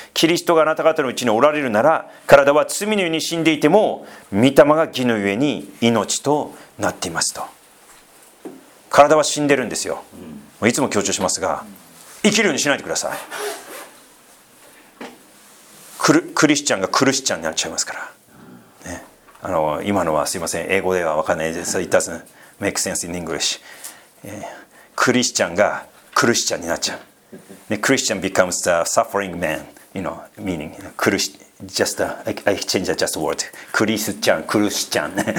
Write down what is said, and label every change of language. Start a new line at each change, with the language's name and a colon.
Japanese: キリストがあなた方のうちにおられるなら、体は罪のように死んでいても、御霊が義のゆえに命となっていますと。体は死んでるんですよ。いつも強調しますが、生きるようにしないでください。クリスチャンがクルシチャンになっちゃいますから、ね、今のはすいません、英語では分かんないです。
English: It doesn't make sense in English。
Japanese: クリスチャンがクルシチャンになっちゃう、ね、
English: クリスチャン becomes the suffering man、 you know meaning クルシ、just a, I change the just word、 クリスチャン、クルシチャン。